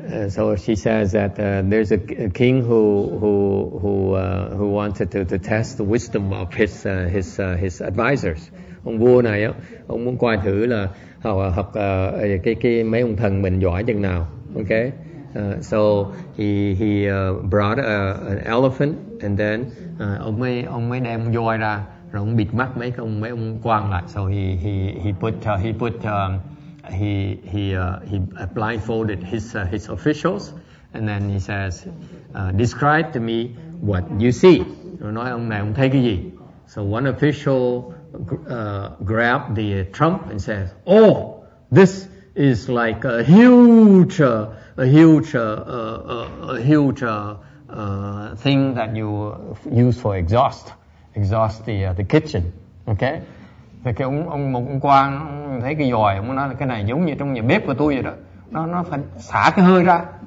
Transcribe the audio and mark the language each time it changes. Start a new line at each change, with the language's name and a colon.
English: So she says that there's a king who wanted to test the wisdom of his advisors.
Vietnamese: Ông vua này á, ông muốn coi thử là học cái mấy ông thần mình giỏi chừng nào.
English: Okay. So he brought an elephant and then
Vietnamese: ông mới đem voi ra rồi ông bịt mắt mấy ông quan lại.
English: So he blindfolded his officials and then he says describe to me what you see.
Vietnamese: Rồi nói ông này ông thấy cái gì.
English: So one official grabbed the trump and says, oh, this is like a huge thing that you use for exhaust the kitchen. Okay.
Vietnamese: Thì cái ông quan thấy cái giòi, ông nói là cái này giống như trong nhà bếp của tôi vậy đó, nó phải xả cái hơi ra.